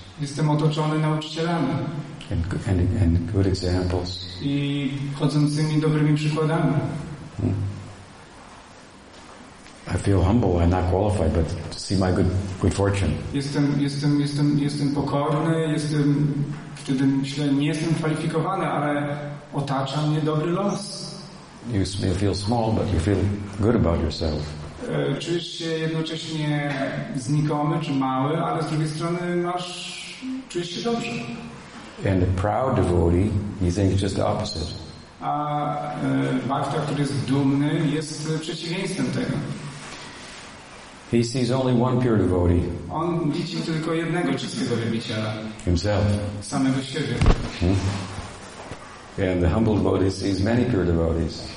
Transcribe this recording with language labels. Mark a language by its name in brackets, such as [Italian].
[Polish] Jestem otoczony nauczycielami. [English] And good examples. [Polish] I chodzącymi dobrymi przykładami. [English] I feel humble. I'm not qualified, but to see my good fortune. [Polish] Jestem pokorny. Jestem wtedy myślę, nie jestem kwalifikowany, ale otacza mnie dobry los. [English] You may feel small, but you feel good about yourself. [Polish] Czujesz się jednocześnie znikomy czy mały, ale z drugiej strony masz, czujesz się dobrze. [English] And the proud devotee, he thinks just the opposite. [Polish] A bhakta, który jest dumny, jest przeciwieństwem tego. [English] He sees only one pure devotee. [Polish] On widzi tylko jednego czystego wielbiciela. [English] Himself. [Polish] Samego siebie. [English] And the humble devotee sees many pure devotees.